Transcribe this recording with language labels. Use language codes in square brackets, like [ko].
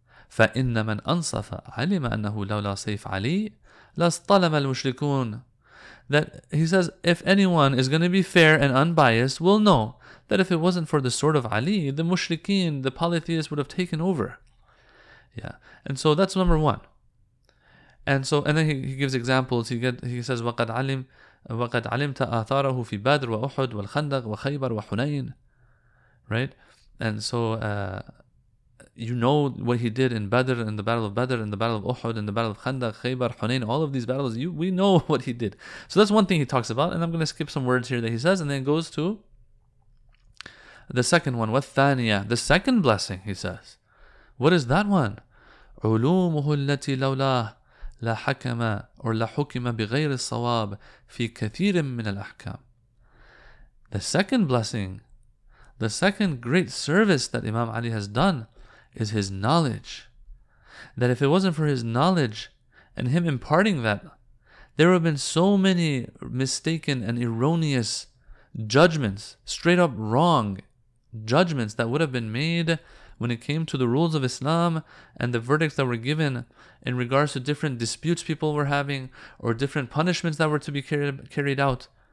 [ar] فَإِنَّ مَنْ أَنصَفَ عَلِمَ أَنَّهُ لَوْلَا سَيْفْ عَلِيٍّ لَاسْطَلَمَ الْمُشْرِكُونَ. [en] That he says, if anyone is going to be fair and unbiased, we'll know that if it wasn't for the sword of Ali, the mushrikeen, the polytheists would have taken over. Yeah, and so that's number one. And so, and then he gives examples. He says, [ar] وَقَدْ عَلِمْتَ آثَارَهُ فِي بَدْرِ وَأُحُدْ وَالْخَنْدَقِ وَخَيْبَرْ وَحُنَيْنِ. [en] Right? And so, you know what he did in Badr, in the Battle of Badr, in the Battle of Uhud, in the Battle of Khandaq, Khaybar, Hunayn, all of these battles, we know what he did. So that's one thing he talks about, and I'm going to skip some words here that he says, and then goes to the second one, وَالثَّانِيَة, the second blessing, he says. What is that one? [ar] عُلُومُهُ الَّتِي لَوْلَاهُ لا حكم أو لا حكم بغير الصواب في كثير من الأحكام. [en] The second blessing, the second great service that Imam Ali has done, is his knowledge. That if it wasn't for his knowledge and him imparting that, there would have been so many mistaken and erroneous judgments, straight up wrong judgments that would have been made when it came to the rules of Islam and the verdicts that were given in regards to different disputes people were having or different punishments that were to be carried out.